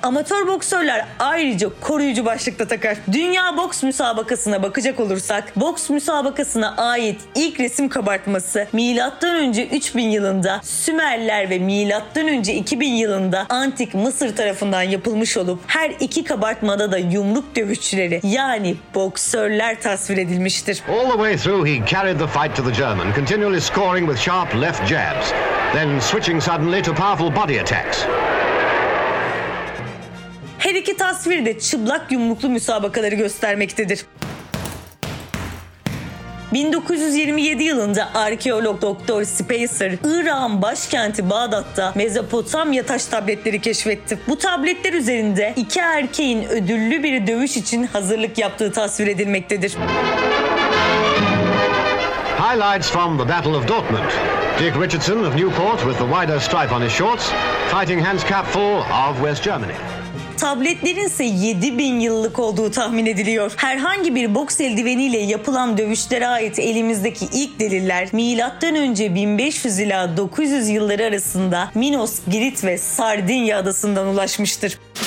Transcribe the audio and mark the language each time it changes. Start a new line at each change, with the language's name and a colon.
Turkish: Amatör boksörler ayrıca koruyucu başlık da takar. Dünya boks müsabakasına bakacak olursak, boks müsabakasına ait ilk resim kabartması M.Ö. 3000 yılında Sümerler ve M.Ö. 2000 yılında Antik Mısır tarafından yapılmış olup her iki kabartmada da yumruk dövüşçüleri yani boksör tasvir edilmiştir.
English: All the way through he carried the fight to the German, continually scoring with sharp left jabs, then switching suddenly to powerful body attacks.
Turkish: Her iki tasvir de çıplak yumruklu müsabakaları göstermektedir. 1927 yılında arkeolog Dr. Spacer, Irak'ın başkenti Bağdat'ta Mezopotamya taş tabletleri keşfetti. Bu tabletler üzerinde iki erkeğin ödüllü bir dövüş için hazırlık yaptığı tasvir edilmektedir.
English: Highlights from the Battle of Dortmund. Dick Richardson of Newport with the wider stripe on his shorts, fighting Hans Kapfel of West Germany.
Turkish: Tabletlerin ise 7000 yıllık olduğu tahmin ediliyor. Herhangi bir boks eldiveniyle yapılan dövüşlere ait elimizdeki ilk deliller M.Ö. 1500 ila 900 yılları arasında Minos, Girit ve Sardinya adasından ulaşmıştır.